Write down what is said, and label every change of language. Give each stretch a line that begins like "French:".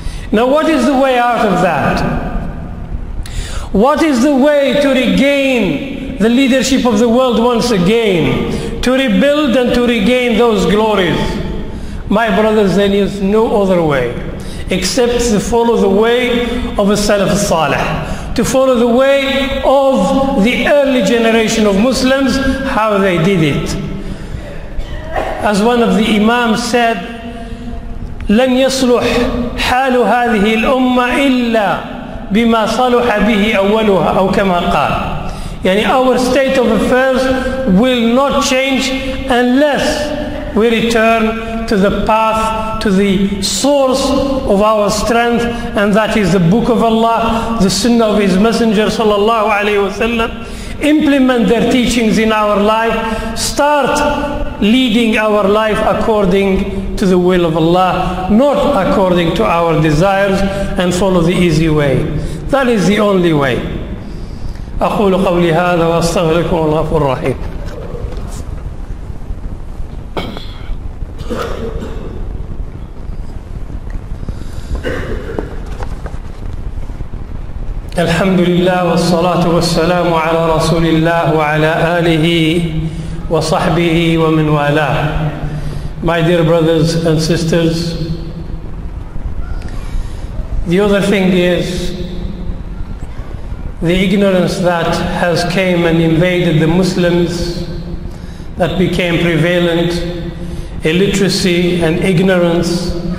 English: Now, what is the way out of that? What is the way to regain the leadership of the world once again, to rebuild and to regain those glories? My brothers, there is no other way except to follow the way of a Salaf Salih, to follow the way of the early generation of Muslims, how they did it. As one of the Imams said,
Arabic: لن يصلح حال هذه الأمة إلا بما صلح به أولها, أو كما قال.
English: Yani our state of affairs will not change unless we return to the path, to the source of our strength, and that is the Book of Allah, the Sunnah of His Messenger sallallahu alaihi wasallam. Implement their teachings in our life. Start leading our life according to the will of Allah, not according to our desires, and follow the easy way. That is the only way.
Arabic: أقول قولي هذا وأستغفر لكم الغفور الرحيم. الحمد لله والصلاة والسلام على رسول الله وعلى آله وصحبه ومن والاه.
English: My dear brothers and sisters, the other thing is the ignorance that has came and invaded the Muslims, that became prevalent, illiteracy and ignorance.